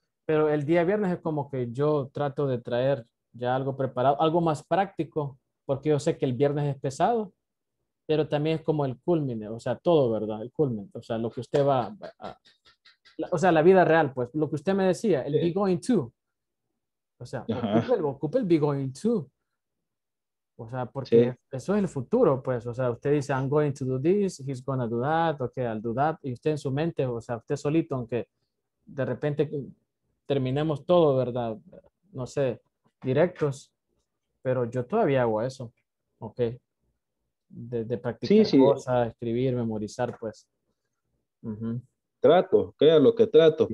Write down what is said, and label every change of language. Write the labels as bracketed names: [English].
[Spanish] Pero el día viernes es como que yo trato de traer ya algo preparado, algo más práctico, porque yo sé que el viernes es pesado, pero también es como el culmine, o sea, todo, ¿verdad? El culmine, o sea, lo que usted va a la vida real, pues, lo que usted me decía, el be going to. O sea, ocupe el be going to. O sea, porque eso es el futuro, pues. O sea, usted dice, [English] I'm going to do this, he's going to do that, okay, I'll do that. [Spanish] Y usted en su mente, o sea, usted solito, aunque de repente terminemos todo, ¿verdad? No sé, directos. Pero yo todavía hago eso, ¿ok? De practicar cosas, escribir, memorizar, pues. Uh-huh. Trato, créalo que trato. Sí.